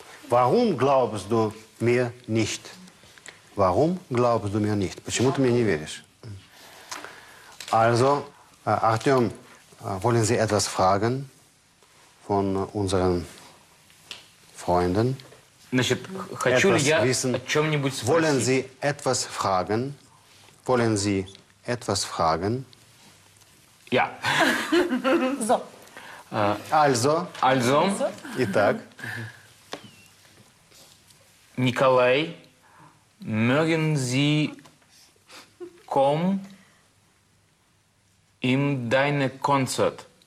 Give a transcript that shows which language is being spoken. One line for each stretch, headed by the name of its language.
German: Warum glaubst du mir nicht? Warum glaubst du mir nicht?
Russian: Почему ты мне не веришь?
German: Also, Артём, wollen Sie etwas fragen von unseren Freunden?
Russian: Значит, хочу ли я о чём-нибудь спросить?
German: Wollen Sie etwas fragen? Wollen Sie etwas fragen? Ja. So. Also. Итак. Николай, mögen Sie kommen in deine Konzert?